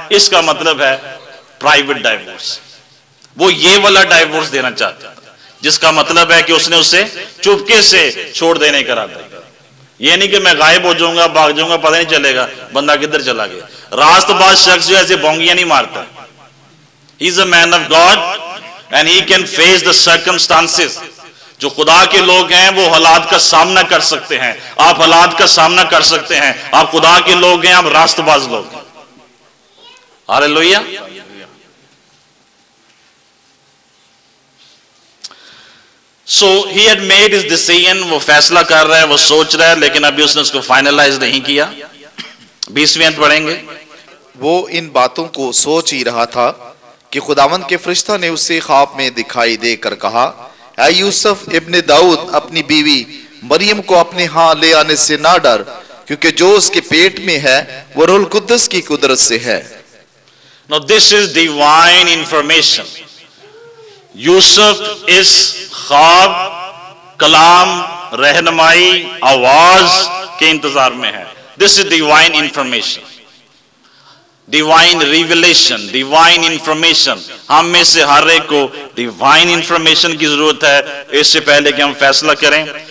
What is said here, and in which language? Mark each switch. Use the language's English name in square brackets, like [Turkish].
[Urdu] اس کا مطلب ہے پرائیویٹ ڈائیورس. وہ یہ والا ڈائیورس دینا چاہتا ہے جس کا مطلب ہے کہ اس نے اسے چپکے سے چھوڑ دینے کرا دیا. یہ نہیں کہ میں غائب ہو جاؤں گا, بھاگ جاؤں گا, پتہ نہیں چلے گا بندہ کدھر چلا گیا. راست باز شخص جو ایسے بونگیاں نہیں مارتا. [English] He's a man of God and he can face the circumstances. [Urdu] جو خدا کے لوگ ہیں وہ حالات کا سامنا کر سکتے ہیں. آپ حالات کا سامنا کر سکتے ہیں, آپ خدا کے لوگ ہیں, آپ راست باز لوگ ہیں. [English] Hallelujah. So he had made his decision. [Urdu] وہ فیصلہ کر رہا ہے, وہ سوچ رہا ہے, لیکن ابھی اس نے اس کو فائنلائز نہیں کیا. 20 پڑھیں گے. وہ ان باتوں کو سوچ ہی رہا تھا کہ خداوند کے فرشتہ نے اسے خواب میں دکھائی دے کر کہا, اے یوسف ابن داؤد, اپنی بیوی مریم کو اپنے ہاں لے آنے سے نہ ڈر, کیونکہ جو اس کے پیٹ میں ہے وہ روح القدس کی قدرت سے ہے. [English] Now this is divine information. [Urdu] یوسف اس خواب, کلام, رہنمائی, آواز کے انتظار میں ہے. [English] This is divine information, divine revelation, divine information. [Urdu] ہم میں سے ہر ایک کو ڈیوائن انفارمیشن کی ضرورت ہے اس سے پہلے کہ ہم فیصلہ کریں.